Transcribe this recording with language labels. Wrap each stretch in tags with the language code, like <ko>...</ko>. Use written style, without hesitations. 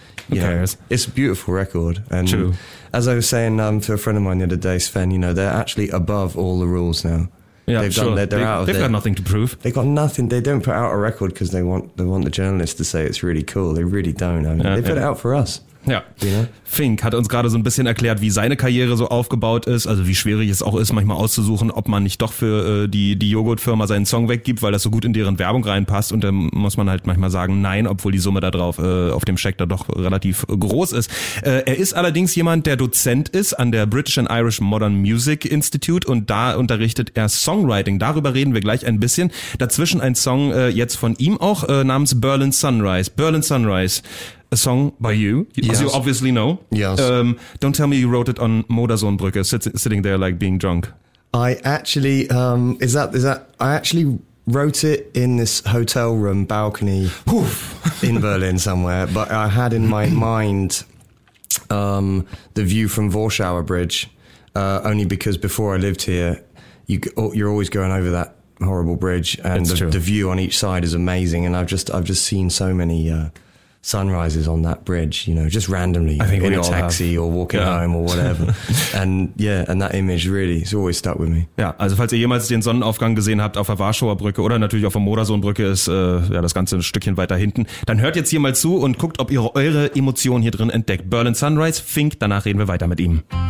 <en>Who cares? It's a beautiful record. And true. As I was saying to a friend of mine the other day, Sven, you know, they're actually above all the rules now. Yeah, they've got nothing to prove. They've got nothing. They don't put out a record because they want the journalists to say it's really cool. They really don't. They put it out for us.</en> <de>Ja, Fink hat uns gerade so ein bisschen erklärt, wie seine Karriere so aufgebaut ist, also wie schwierig es auch ist, manchmal auszusuchen, ob man nicht doch für die Joghurtfirma seinen Song weggibt, weil das so gut in deren Werbung reinpasst, und dann muss man halt manchmal sagen, nein, obwohl die Summe da drauf auf dem Scheck da doch relativ groß ist. Er ist allerdings jemand, der Dozent ist an der British and Irish Modern Music Institute, und da unterrichtet er Songwriting. Darüber reden wir gleich ein bisschen. Dazwischen ein Song jetzt von ihm auch namens Berlin Sunrise.</de> <en>Berlin Sunrise. A song by you, as you obviously know. Yes. Don't tell me you wrote it on Modersohnbrücke, sitting there like being drunk. I actually, I actually wrote it in this hotel room balcony in Berlin somewhere, but I had in my mind the view from Warschauer Bridge, only because before I lived here, you're always going over that horrible bridge, and the view on each side is amazing. And I've just seen so many sunrises on that bridge, you know, just randomly in a taxi or walking home or whatever. And that image really, it's always stuck with me.</en> <de>Ja, also falls ihr jemals den Sonnenaufgang gesehen habt auf der Warschauer Brücke oder natürlich auf der Modersohnbrücke, ist das Ganze ein Stückchen weiter hinten, dann hört jetzt hier mal zu und guckt, ob ihr eure Emotionen hier drin entdeckt. Berlin Sunrise, Fink, danach reden wir weiter mit ihm.</de>